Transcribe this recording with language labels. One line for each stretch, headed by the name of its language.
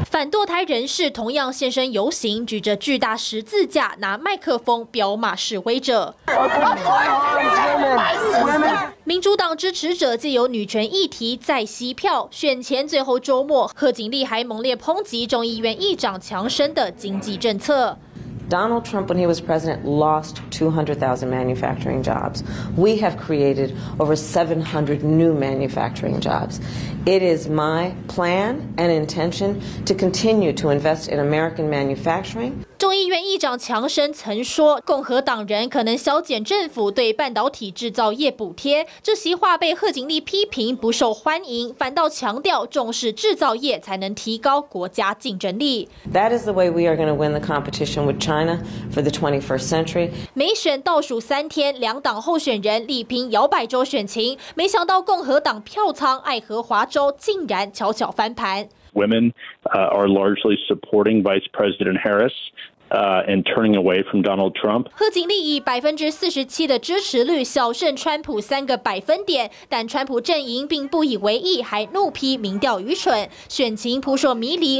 Chinese: 反堕胎人士同样现身游行，举着巨大十字架，拿麦克风飙骂示威者。民主党支持者借由女权议题再吸票。选前最后周末，贺锦丽还猛烈抨击众议院议长强生的经济政策。
English: Donald Trump, when he was president, lost 200,000 manufacturing jobs. We have created over 700 new manufacturing jobs. It is my plan and intention to continue to invest in American manufacturing.
Chinese: 众议院议长强生曾说，共和党人可能削减政府对半导体制造业补贴，这席话被贺锦丽批评不受欢迎，反倒强调重视制造业才能提高国家竞争力。
English: That is the way we are going to win the competition with China for the 21st century.
Chinese: 美选倒数三天，两党候选人力拼摇摆州选情，没想到共和党票仓爱荷华州竟然悄悄翻盘。
English: Women are largely supporting Vice President Harris and turning away from Donald Trump.
Chinese: 贺锦丽以47%的支持率小胜川普3%，但川普阵营并不以为意，还怒批民调愚蠢，选情扑朔迷离。